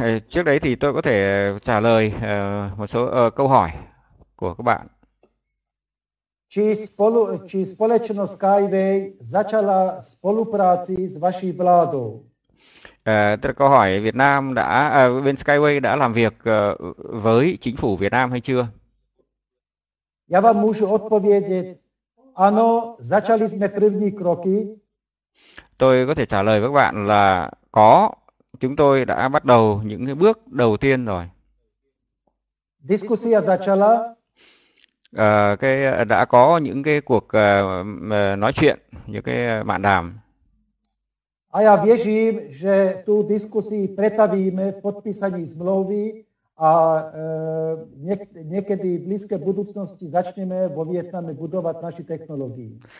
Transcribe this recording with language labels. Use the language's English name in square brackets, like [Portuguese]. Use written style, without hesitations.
[Vietnamese] Trước đấy thì tôi có thể trả lời một số câu hỏi của các bạn. [Czech] Či společnost Skyway začala spolupráci s vaší vládou? [Vietnamese] Tôi có hỏi Việt Nam đã bên Skyway đã làm việc với chính phủ Việt Nam hay chưa? [Czech] Já vám můžu odpovědět. Ano, začali jsme první kroky. [Vietnamese] Tôi có thể trả lời với các bạn là có, chúng tôi đã bắt đầu những cái bước đầu tiên rồi. [Slovak] Diskusia začala. [Vietnamese] Đã có những cái cuộc nói chuyện, những cái mạn đàm. [Czech] A já věřím, že tu diskusi pretavíme v podpísaní zmluvy a někdy v blízké budoucnosti začneme vo Vietname budovat naši technologii.